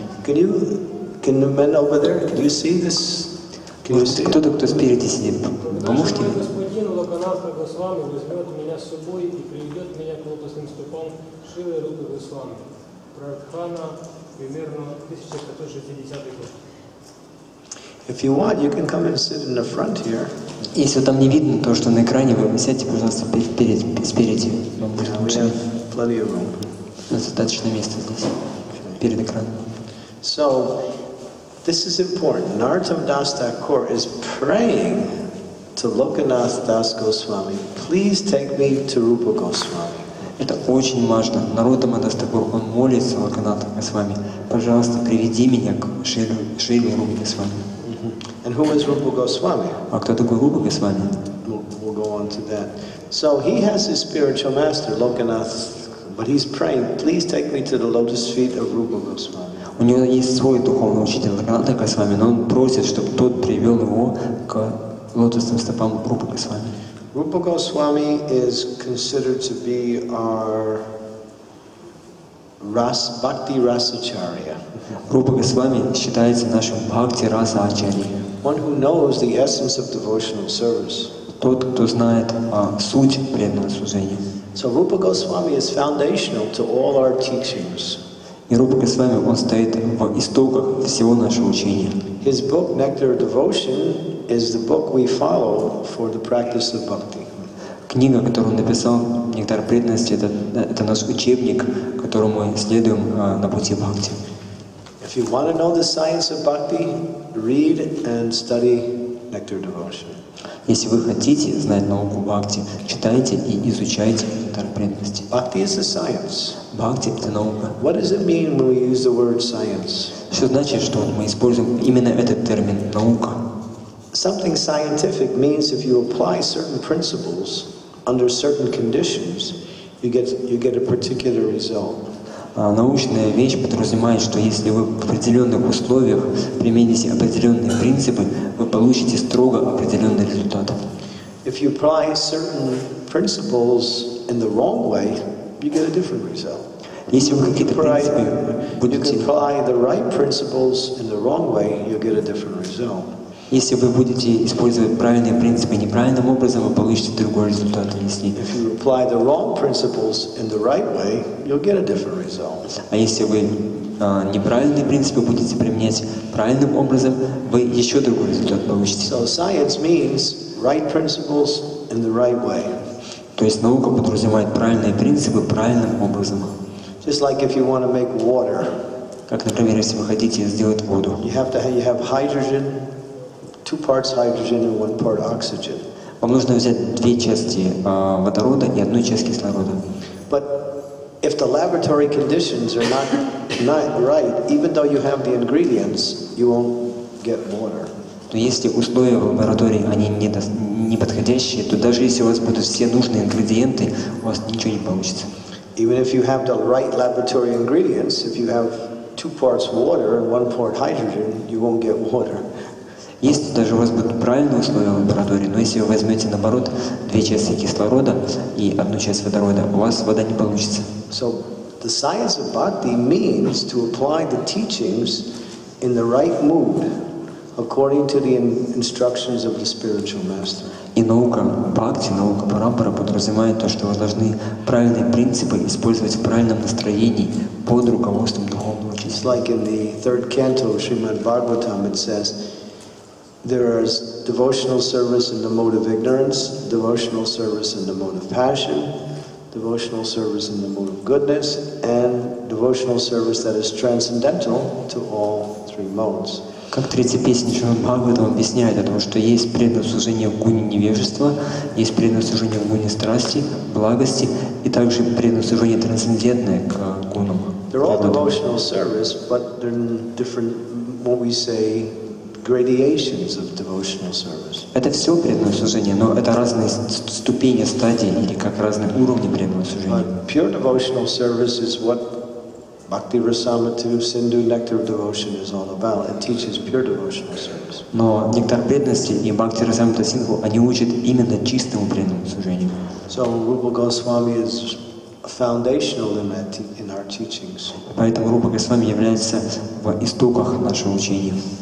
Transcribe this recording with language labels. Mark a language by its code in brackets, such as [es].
[en] Can the man over there? Can you see this? [ru] Кто-то, кто спереди сидит, поможете? Наш господин Локанатха Госвами возьмет меня с собой и приведет меня к лотосным стопам Шрилы Рупы Госвами. Прардхана, примерно 1460 год. [en] If you want, you can come and sit in the front here. [ru] Если там не видно то, что на экране, вы сядьте, пожалуйста, спереди. [en] Plenty of room. [ru] Достаточно места здесь, перед экраном. [en] So, this is important. Nartam Das Thakur is praying to Lokanath Das Goswami, please take me to Rupa Goswami. [ru] Это очень важно. Нартама Дас Такур, он молится Локанатху Госвами. Пожалуйста, приведи меня к Шриле Рупе Госвами. [en] And who is Rupa Goswami? [ru] А кто такой Рупа Госвами? [en] We'll go on to that. So, he has his spiritual master, Lokanath. But he's praying, please take me to the lotus feet of Rupa Goswami. [ru] У него есть свой духовный учитель Локанатха Госвами, но он просит, чтобы тот привел его к лотосным стопам Рупы Госвами. [en] Rupa Goswami is considered to be our Bhakti Rasacharya. [ru] Rupa Goswami считается нашим Бхакти Раса Ачарья. [en] One who knows the essence of devotional service. [ru] Тот, кто знает суть преданного служения. [en] So Rupa Goswami is foundational to all our teachings. [ru] И Рупа Госвами, он стоит в истоках всего нашего учения. [en] His book Nectar of Devotion is the book we follow for the practice of bhakti. [ru] Книга, которую он написал, Нектар преданности, это наш учебник, которому мы следуем на пути бхакти. [en] If you want to know the science of bhakti, read and study Nectar of Devotion. [ru] Если вы хотите знать науку бхакти, читайте и изучайте Нектар преданности. [en] Bhakti is a science. [ru] Бхакти — это наука. [en] What does it mean when we use the word science? [ru] Что значит, что мы используем именно этот термин — наука? [en] Something scientific means if you apply certain principles under certain conditions, you get a particular result. [ru] Научная вещь подразумевает, что если вы в определенных условиях примените определенные принципы, вы получите строго определенный результат. [en] If you apply certain principles in the wrong way, you get a different result. [ru] Если вы какие-то принципы будете... [en] You apply the right principles in the wrong way, you get a different result. [ru] Если вы будете использовать правильные принципы неправильным образом, вы получите другой результат. Если... [en] If you apply the wrong principles in the right way, you'll get a different result. [ru] А если вы неправильные принципы будете применять правильным образом, вы еще другой результат получите. [en] So science means right principles in the right way. [ru] То есть наука подразумевает правильные принципы правильным образом. [en] Just like if you want to make water. [ru] Как, например, если вы хотите сделать воду. [en] You have hydrogen. Two parts hydrogen and one part oxygen. [ru] Вам нужно взять две части водорода и одну часть кислорода. [en] But if the laboratory conditions are not right, even though you have the ingredients, you won't get water. [ru] То если условия в лаборатории они не подходящие, то даже если у вас будут все нужные ингредиенты, у вас ничего не получится. [en] Even if you have the right laboratory ingredients, if you have two parts water and one part hydrogen, you won't get water. [ru] Если даже у вас будут правильные условия в лаборатории, но если вы возьмете, наоборот, две части кислорода и одну часть водорода, у вас вода не получится. [en] So, the science of bhakti means to apply the teachings in the right mood according to the instructions of the spiritual master. [ru] И наука бхакти, наука парампара подразумевает то, что вы должны правильные принципы использовать в правильном настроении под руководством духовного учителя. [en] It's like in the third canto of Srimad Bhagavatam, it says, there is devotional service in the mode of ignorance, devotional service in the mode of passion, devotional service in the mode of goodness, and devotional service that is transcendental to all three modes. [ru] Как третья песня Шримад Бхагаватам объясняет о том, что есть преданное служение в гуне невежества, есть преданное служение в гуне страсти, благости, и также преданное служение трансцендентное к гунам. [en] They're all devotional service, but they're different, what we say, gradations of devotional service. [ru] Это все преданное служение, но это разные ступени, стадии или как разные уровни преданного служения. [en] Pure devotional service is what Bhakti Rasamrita Sindhu Nectar of Devotion is all about. It teaches pure devotional service. [ru] Но нектар преданности и Бхакти Расамрита Сингху они учат именно чистому преданному служению. [en] So Rupa Goswami is foundational in that in our teachings. [ru] Поэтому Рупа Госвами является в истоках нашего учения.